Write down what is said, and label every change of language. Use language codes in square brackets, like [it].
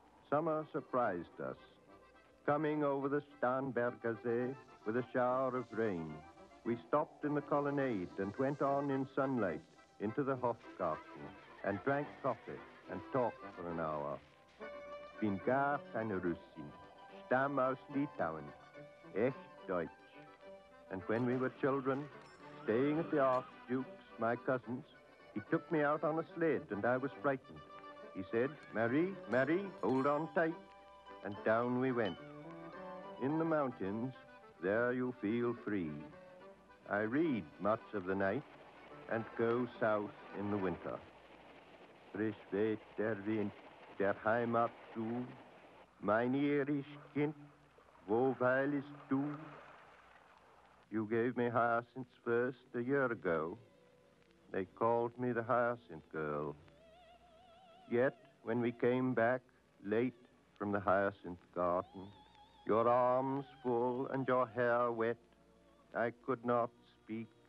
[en] Summer surprised us, coming over the Starnberger See with a shower of rain. We stopped in the colonnade and went on in sunlight into the Hofgarten, and drank coffee and talked for an hour. [de] Bin gar keine Russin, stamm aus Litauen, echt Deutsch. [en] And when we were children, staying at the Archduke's, my cousin's, he took me out on a sled, and I was frightened. He said, Marie, Marie, hold on tight. And down we went. In the mountains, there you feel free. I read much of the night, and go south in the winter. [de] Frisch weht der Wind der Heimat zu, mein irisch Kind, wo weilest du? [en] You gave me hyacinths first a year ago. They called me the hyacinth girl. Yet, when we came back late from the hyacinth garden, your arms full and your hair wet, I could not speak.